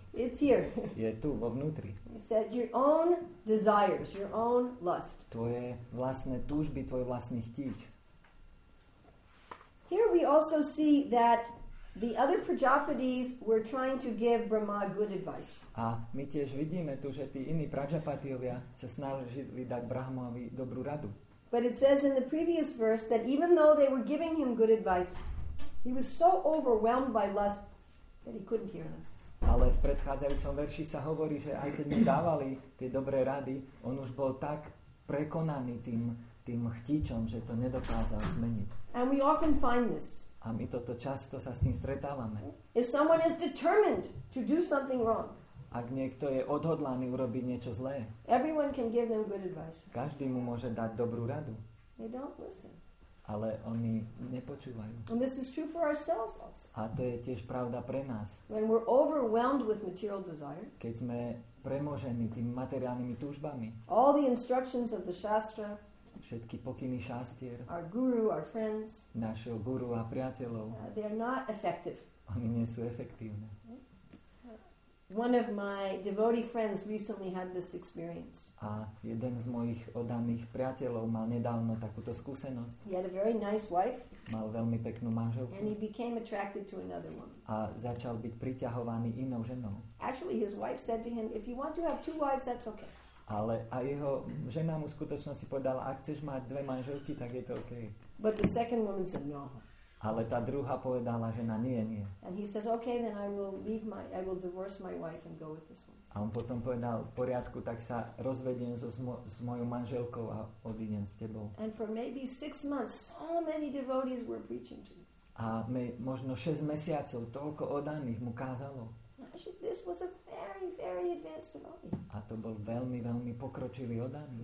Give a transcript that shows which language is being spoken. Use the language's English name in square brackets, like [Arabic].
[English] It's here. [Slovak] Je tu vo vnútri. [English] He said your own desires, your own lust. [Slovak] Tvoje vlastné túžby, tvoj vlastný chtíč. [English] Here we also see that the other Prajapatis were trying to give Brahma good advice. [Slovak] A my tiež vidíme tu, že tí iní Prajapatiovia sa snažili dať Brahmovi dobrú radu. [English] But it says in the previous verse that even though they were giving him good advice, he was so overwhelmed by lust that he couldn't hear them. [Slovak] Ale v predchádzajúcom verši sa hovorí, že aj keď mu dávali tie dobré rady, on už bol tak prekonaný tým chtičom, že to nedokázal zmeniť. [English] And we often find this. [Slovak] A my toto často sa s tým stretávame. [English] If someone is determined to do something wrong. [Slovak] Ak niekto je odhodlaný urobiť niečo zlé. [English] Everyone can give them good advice. [Slovak] Každý mu môže dať dobrú radu. [English] They don't listen. [Slovak] Ale oni nepočúvajú. [English] And this is true for ourselves also. [Slovak] A to je tiež pravda pre nás. [English] When we're overwhelmed with material desire. [Slovak] Keď sme premožení tými materiálnymi túžbami. [English] All the instructions of the Shastra. [Slovak] Všetky pokyny šastier. [English] Our guru, our friends. [Slovak] Našeho guru a priateľov. [English] They are not effective. [Slovak] Oni nie sú efektívne. [English] One of my devotee friends recently had this experience. [Slovak] A jeden z mojich oddaných priateľov mal nedávno takúto skúsenosť. [English] He had a very nice wife. [Slovak] Mal veľmi peknú manželku. [English] And he became attracted to another woman. [Slovak] A začal byť priťahovaný inou ženou. [English] Actually his wife said to him, if you want to have two wives, that's okay. [Slovak] Ale a jeho žena mu skutočnosti povedala, ak chceš mať dve manželky, tak je to OK. [English] But the second woman said no. [Slovak] Ale tá druhá povedala, že na nie, nie. [English] And he says, okay, then I will divorce my wife and go with this one. [Slovak] A on potom povedal, v poriadku, tak sa rozvediem s mojou manželkou a odídem s tebou. [English] And for maybe 6 months, so many devotees were preaching to him. [Slovak] A možno 6 mesiacov, toľko oddaných mu kázalo. [English] This was a very, very advanced devotee. [Slovak] A to bol veľmi, veľmi pokročilý oddaný.